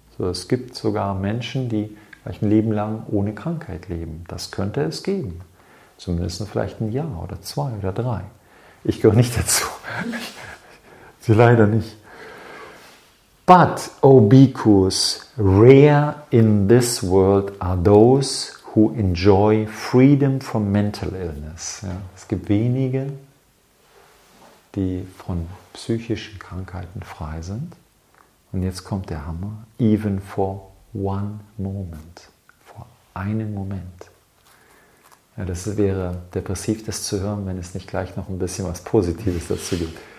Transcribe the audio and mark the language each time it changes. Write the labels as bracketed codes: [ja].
[de] So, es gibt sogar Menschen, die vielleicht ein Leben lang ohne Krankheit leben. Das könnte es geben. Zumindest vielleicht ein Jahr oder zwei oder drei. Ich gehöre nicht dazu. Sie leider nicht. [en] But, O Bhikkhus, rare in this world are those who enjoy freedom from mental illness. [de] Ja, es gibt wenige, die von psychischen Krankheiten frei sind. Und jetzt kommt der Hammer. [en] Even for one moment. [de] Vor einem Moment. Ja, das wäre depressiv, das zu hören, wenn es nicht gleich noch ein bisschen was Positives dazu gibt.